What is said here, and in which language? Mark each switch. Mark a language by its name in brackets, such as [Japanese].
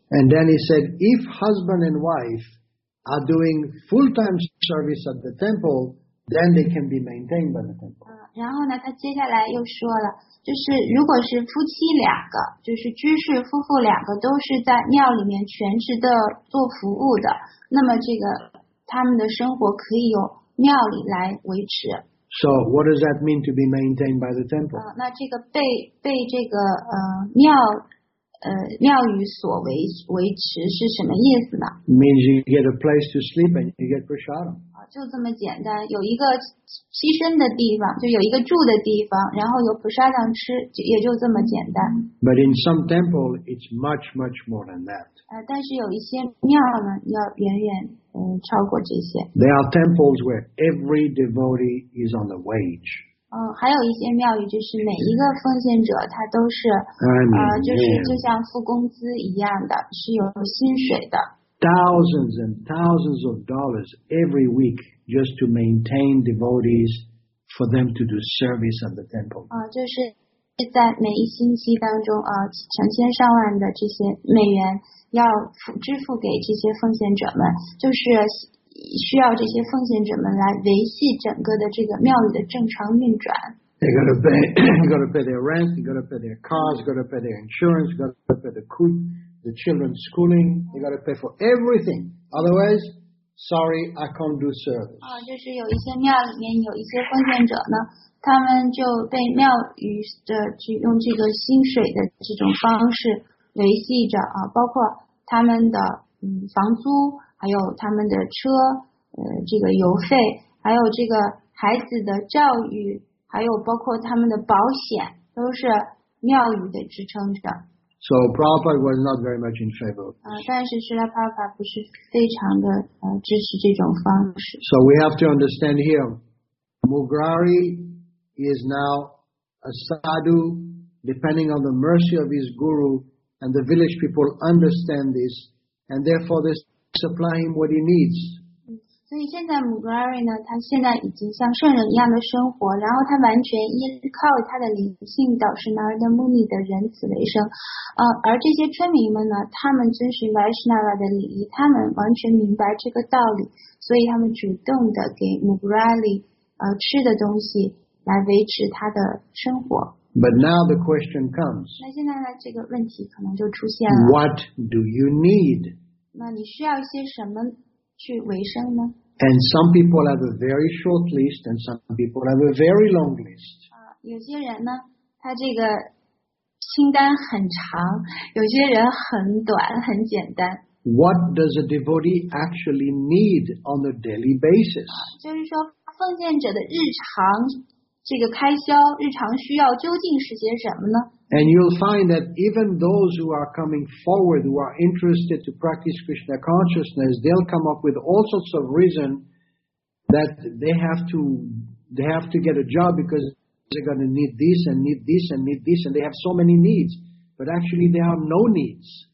[English] And then he said, if husband and wife are doing full-time service at the temple, then they can be maintained by the temple. [Chinese] 然后呢，他接下来又说了，就是如果是夫妻两个，就是居士夫妇两个都是在庙里面全职的做服务的，那么这个他们的生活可以由庙里来维持。 [English] So what does that mean to be maintained by the temple? [Chinese] 那这个被这个庙宇所维持是什么意思呢 [English] ？Means you get a place to sleep and you get prasadam. [Chinese] 就这么简单，有一个栖身的地方，就有一个住的地方，然后有菩萨堂吃，也就这么简单。 [English] But in some temple, it's much, much more than that. [Chinese] 但是有一些庙呢，要远远超过这些。 [English] There are temples where every devotee is on the wage. [Chinese] 还有一些庙宇就是每一个奉献者他都是就是就像付工资一样的，是有薪水的。 [English] Thousands and thousands of dollars every week just to maintain devotees for them to do service at the temple. [Chinese] 就是在每一星期当中成千上万的这些美元要支付给这些奉献者们，就是需要这些奉献者们来维系整个的这个庙宇的正常运转。 [English] They gotta pay their rent, they gotta pay their cars, gotta pay their insurance, gotta pay the food. The children's schooling, you got to pay for everything. Otherwise, sorry, I can't do service. [Chinese] 就是有一些庙里面有一些奉献者呢，他们就被庙宇的去用这个薪水的这种方式维系着包括他们的房租，还有他们的车，这个油费，还有这个孩子的教育，还有包括他们的保险，都是庙宇的支撑着。 [English] So Prabhupada was not very much in favor. [Chinese] 但是Srila Prabhupada不是非常的支持这种方式。 [English] So we have to understand here, Mugrari is now a sadhu, depending on the mercy of his guru, and the village people understand this, and therefore they supply him what he needs. [Chinese] 所以现在母格阿瑞呢，他现在已经像圣人一样的生活，然后他完全依靠他的灵性导师纳尔德穆尼的仁慈为生。而这些村民们呢，他们遵循白石纳瓦的礼仪，他们完全明白这个道理，所以他们主动的给母格阿瑞吃的东西来维持他的生活。 [English] But now the question comes. [Chinese] 那现在呢，这个问题可能就出现了。 [English] What do you need? [Chinese] 那你需要一些什么？去维生呢? [English] And some people have a very short list, and some people have a very long list. [Chinese] 有些人呢，他这个清单很长，有些人很短，很简单。 [English] What does a devotee actually need on a daily basis? [Chinese] 就是说，奉献者的日常这个开销，日常需要究竟是些什么呢? [English] And you'll find that even those who are coming forward, who are interested to practice Krishna consciousness, they'll come up with all sorts of reason that they have to get a job because they're going to need this and need this and need this, and they have so many needs, but actually there are no needs.